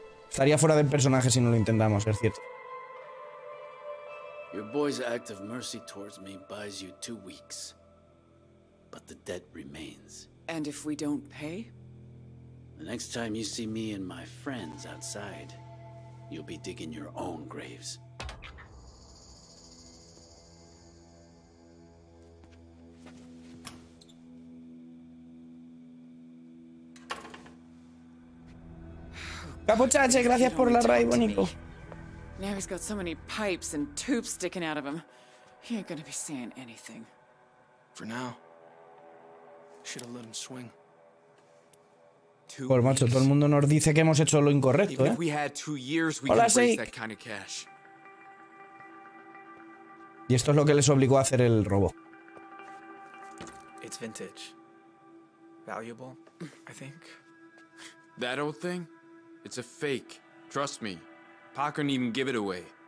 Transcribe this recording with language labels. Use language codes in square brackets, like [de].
[es] Estaría fuera del personaje si no lo intentamos, es cierto. [en] Your boy's act of mercy towards me buys you 2 weeks. But the debt remains. And if we don't pay? The next time you see me and my friends outside, you'll be digging your own graves. [es] Capuchache, gracias por la raid, bonito. [en] Now he's got so many pipes and tubes sticking out of him. He ain't gonna be saying anything. For now. Should have let him swing. [es] Pues macho, todo el mundo nos dice que hemos hecho lo incorrecto, ¿eh? [en] We had 2 years, we could raise that kind of cash. [es] Y esto es lo que les obligó a hacer el robo. [en] It's vintage. Valuable, I think. That old thing? It's a fake. Trust me. Pa couldn't even give it away.